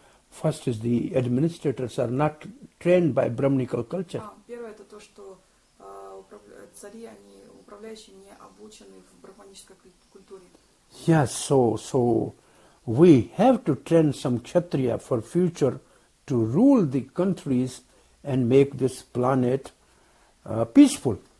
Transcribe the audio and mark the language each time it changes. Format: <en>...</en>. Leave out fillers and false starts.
<en>First is the administrators are not trained by Brahminical culture.</en> <ru>Первое это то, что цари, они управляющие не обучены в брахманической культуре.</ru> <en>Yes, so we have to train some kshatriya for future to rule the countries and make this planet peaceful.</en>